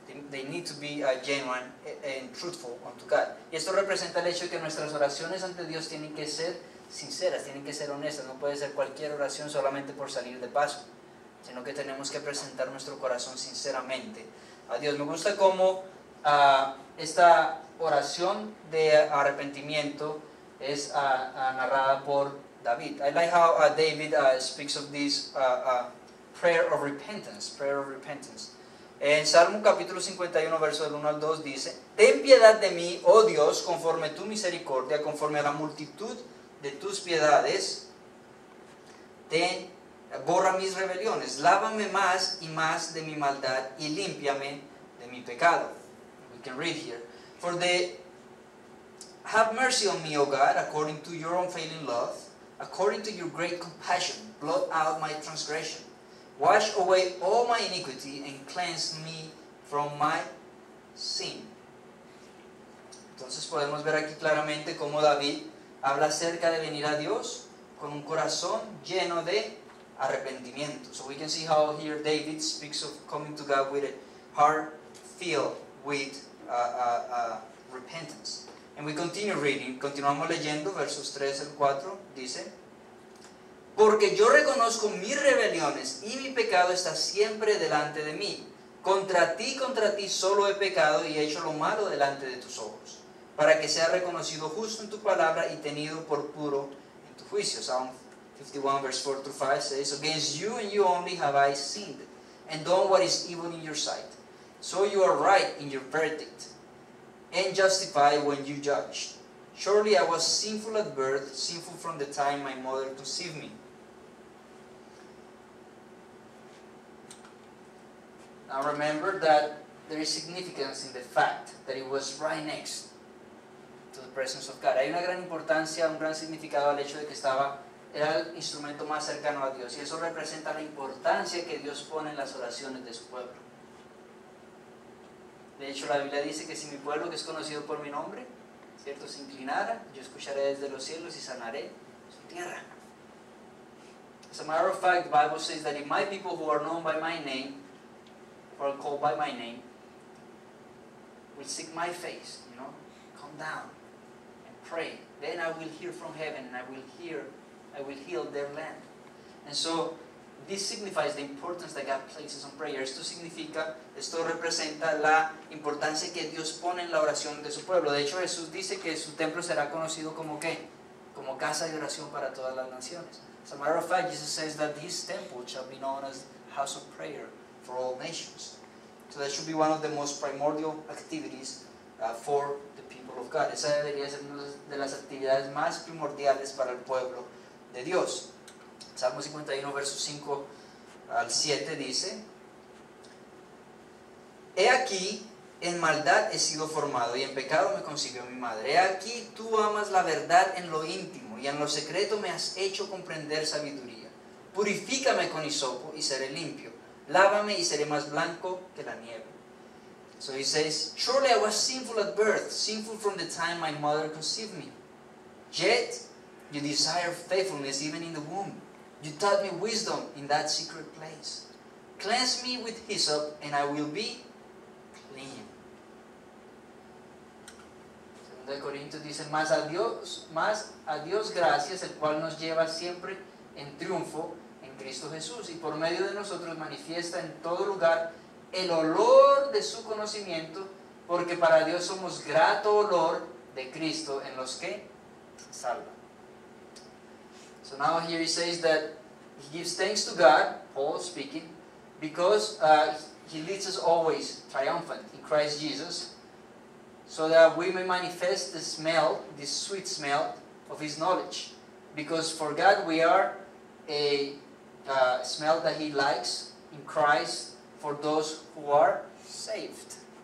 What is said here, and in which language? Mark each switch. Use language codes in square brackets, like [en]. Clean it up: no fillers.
[en] They need to be genuine and truthful unto God. [es] Y esto representa el hecho de que nuestras oraciones ante Dios tienen que ser sinceras, tienen que ser honestas. No puede ser cualquier oración solamente por salir de paso, sino que tenemos que presentar nuestro corazón sinceramente a Dios. Me gusta cómo esta oración de arrepentimiento es narrada por David. [en] I like how David speaks of this prayer of repentance. [es] En Salmo capítulo 51, verso del 1 al 2 dice: ten piedad de mí, oh Dios, conforme tu misericordia, conforme a la multitud de tus piedades, borra mis rebeliones, lávame más y más de mi maldad y límpiame de mi pecado. [en] we can read here. For the have mercy on me, O God, according to your unfailing love, according to your great compassion, blot out my transgression. Wash away all my iniquity and cleanse me from my sin. [es] Entonces podemos ver aquí claramente cómo David habla acerca de venir a Dios con un corazón lleno de arrepentimiento. [en] So we can see how here David speaks of coming to God with a heart filled with repentance. And we continue reading, [es] continuamos leyendo, versos 3 al 4, dice: Porque yo reconozco mis rebeliones y mi pecado está siempre delante de mí. Contra ti solo he pecado y he hecho lo malo delante de tus ojos, para que sea reconocido justo en tu palabra y tenido por puro en tu juicio. [en] Psalm 51, verse 4 to 5 says, Against you and you only have I sinned, and done what is evil in your sight. So you are right in your verdict, and justified when you judge. Surely I was sinful at birth, sinful from the time my mother conceived me. Now remember that there is significance in the fact that it was right next to the presence of God. [es] Hay una gran importancia, un gran significado al hecho de que estaba, era el instrumento más cercano a Dios. Y eso representa la importancia que Dios pone en las oraciones de su pueblo. De hecho, la Biblia dice que si mi pueblo, que es conocido por mi nombre, ¿cierto?, se inclinara, yo escucharé desde los cielos y sanaré su tierra. [en] As a matter of fact, the Bible says that if my people who are known by my name, or called by my name, will seek my face, you know, come down and pray, then I will hear from heaven and I will heal their land. And so, this signifies the importance that God places on prayer. [es] Esto significa, esto representa la importancia que Dios pone en la oración de su pueblo. De hecho, Jesús dice que su templo será conocido como ¿qué? Como casa de oración para todas las naciones. [en] As a matter of fact, Jesus says that this temple shall be known as house of prayer for all nations. So that should be one of the most primordial activities for the people of God. [es] Esa debería ser una de las actividades más primordiales para el pueblo de Dios. Salmo 51, versos 5 al 7 dice: He aquí, en maldad he sido formado, y en pecado me concibió mi madre. He aquí, tú amas la verdad en lo íntimo, y en lo secreto me has hecho comprender sabiduría. Purifícame con hisopo, y seré limpio. Lávame, y seré más blanco que la nieve. [en] So he says, Surely I was sinful at birth, sinful from the time my mother conceived me. Yet, you desire faithfulness even in the womb. You taught me wisdom in that secret place. Cleanse me with hyssop, and I will be clean. [es] 2 Corintios dice, más a Dios gracias, el cual nos lleva siempre en triunfo en Cristo Jesús, y por medio de nosotros manifiesta en todo lugar el olor de su conocimiento, porque para Dios somos grato olor de Cristo en los que salva. [en] So now here he says that he gives thanks to God, Paul speaking, because he leads us always triumphant in Christ Jesus, so that we may manifest the smell, this sweet smell of his knowledge. Because for God we are a smell that he likes in Christ for those who are saved.